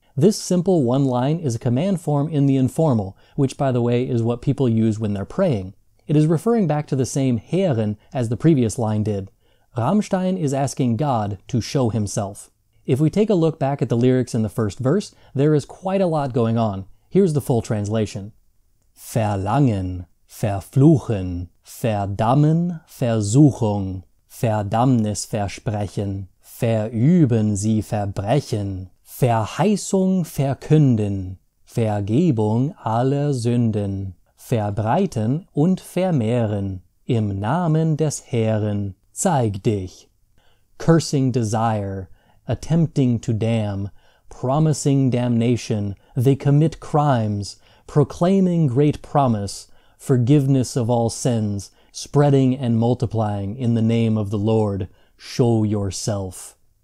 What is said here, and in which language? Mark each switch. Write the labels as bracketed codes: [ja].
[en] This simple one line is a command form in the informal, which, by the way, is what people use when they're praying. It is referring back to the same Herren as the previous line did. Rammstein is asking God to show himself. If we take a look back at the lyrics in the first verse, there is quite a lot going on. Here's the full translation. [de] Verlangen, verfluchen, verdammen, Versuchung, Verdammnis versprechen, verüben sie Verbrechen. Verheißung verkünden, Vergebung aller Sünden, verbreiten und vermehren, im Namen des Herrn, zeig dich. [en] Cursing desire, attempting to damn, promising damnation, they commit crimes, proclaiming great promise, forgiveness of all sins, spreading and multiplying in the name of the Lord, show yourself.